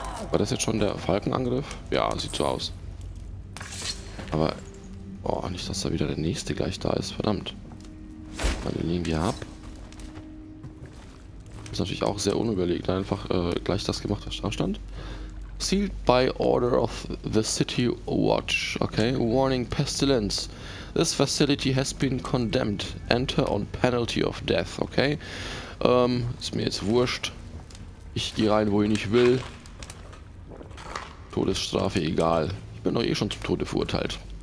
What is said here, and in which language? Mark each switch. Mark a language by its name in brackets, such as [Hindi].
[German] War das jetzt schon der Falkenangriff? Ja, sieht so aus. Aber, oh, nicht, dass da wieder der nächste gleich da ist. Verdammt. Dann nehmen wir ab. Ist natürlich auch sehr unüberlegt. Einfach gleich das gemacht, was da stand. [English] Sealed by order of the city watch. Okay, warning pestilence. This facility has been condemned. Enter on penalty of death. [German] Okay, ist mir jetzt wurscht. Ich gehe rein, wo ich nicht will. Todesstrafe, egal. Ich bin doch eh schon zum Tode verurteilt.